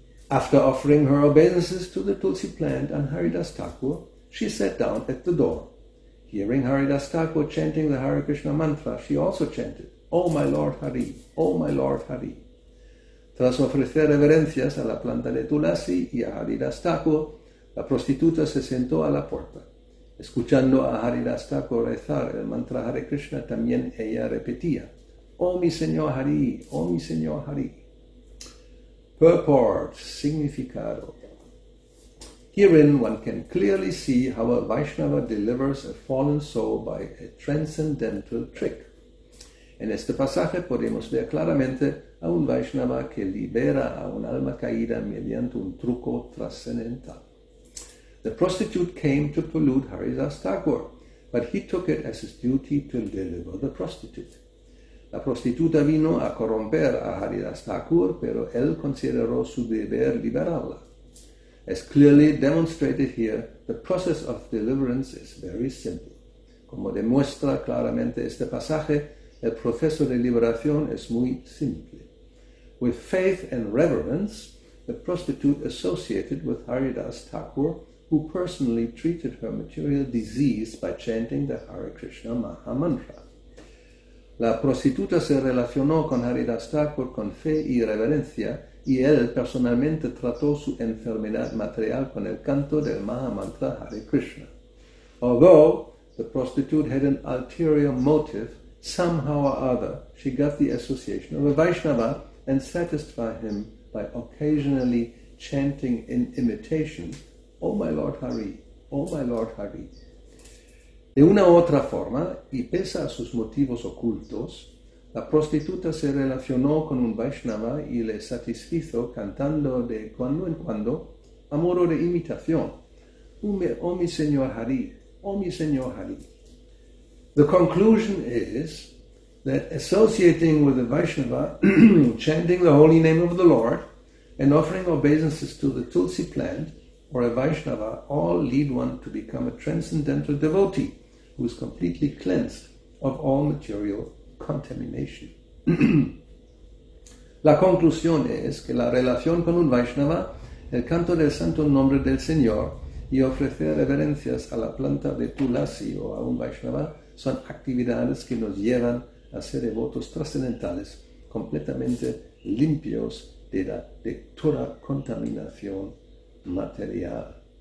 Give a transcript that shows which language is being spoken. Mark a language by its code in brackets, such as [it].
[en] After offering her obeisances to the tulsi plant and Haridas Thakur, she sat down at the door. Hearing Haridas Thakur chanting the Hare Krishna mantra, she also chanted, Oh my Lord Hari, Oh my Lord Hari. [es] Tras ofrecer reverencias a la planta de tulsi y a Haridas Thakur, la prostituta se sentó a la puerta. Escuchando a Haridas Thakur rezar el mantra Hare Krishna, también ella repetía, Oh mi señor Hari, Oh mi señor Hari. [en] Purport, significado. Herein one can clearly see how a Vaishnava delivers a fallen soul by a transcendental trick. [es] En este pasaje podemos ver claramente a un Vaishnava que libera a un alma caída mediante un truco trascendental. [en] The prostitute came to pollute Haridas Thakur, but he took it as his duty to deliver the prostitute. [es] La prostituta vino a corromper a Haridas Thakur, pero él consideró su deber liberarla. [en] As clearly demonstrated here, the process of deliverance is very simple. [es] Como demuestra claramente este pasaje, el proceso de liberación es muy simple. [en] With faith and reverence, the prostitute associated with Haridas Thakur, who personally treated her material disease by chanting the Hare Krishna Maha Mantra. [es] La prostituta se relacionó con Haridas Thakur con fe y reverencia, y él personalmente trató su enfermedad material con el canto del Maha Mantra Hare Krishna. [en] Although the prostitute had an ulterior motive, somehow or other, she got the association of a Vaishnava and satisfied him by occasionally chanting in imitation, "Oh my Lord Hari, oh my Lord Hari." [es] De una u otra forma, y pese a sus motivos ocultos, la prostituta se relacionó con un Vaishnava y le satisfizo cantando de cuando en cuando, a modo de imitación, "Oh mi Señor Hari, oh mi Señor Hari." [en] The conclusion is that associating with the Vaishnava, chanting the holy name of the Lord, and offering obeisances to the Tulsi plant or a Vaishnava all lead one to become a transcendental devotee who is completely cleansed of all material contamination. [es] La conclusión es que la relación con un Vaishnava, el canto del santo nombre del Señor y ofrecer reverencias a la planta de Tulsi o a un Vaishnava son actividades que nos llevan a ser devotos trascendentales, completamente limpios de toda contaminación material.